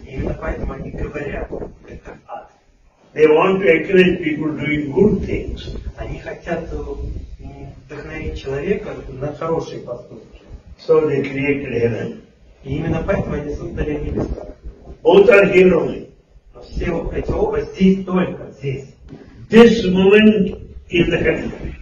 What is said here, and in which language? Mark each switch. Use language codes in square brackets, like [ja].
[ru] Именно поэтому они говорят, это ад. [en] They want to encourage people doing good things. [ru] Они хотят вдохновить человека на хорошие поступки. [en] So they created heaven. [ru] И именно поэтому они создали небеса. [en] Both are here only. [ru] Но все эти оба здесь только, здесь. [en] This moment is the heaven.